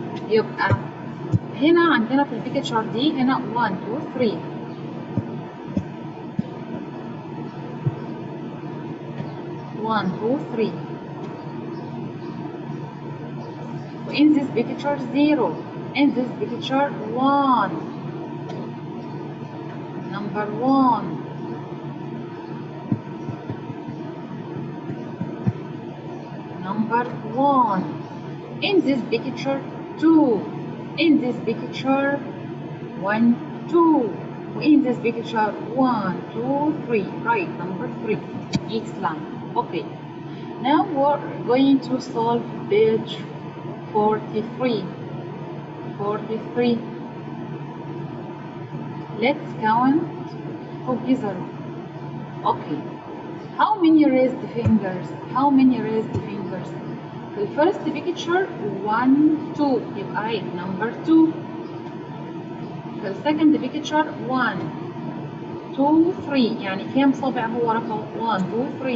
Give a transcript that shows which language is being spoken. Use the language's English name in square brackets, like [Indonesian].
[Arabic] يبقى هنا عندنا في البيكتشر دي هنا 1, 2, 3. [English] One, two, three. In this picture, 0. In this picture, 1. Number 1. number one. In this picture, two. In this picture, one, two. In this picture, one, two, three. Right, number three. Each line. Okay. Now we're going to solve page 43. 43. Let's count together. Okay. How many raised fingers? How many raised fingers? The first picture, one, two. If I write number two. The second picture, one, two, three. [Arabic] يعني كم صابع هو رقم [English] one, two, three.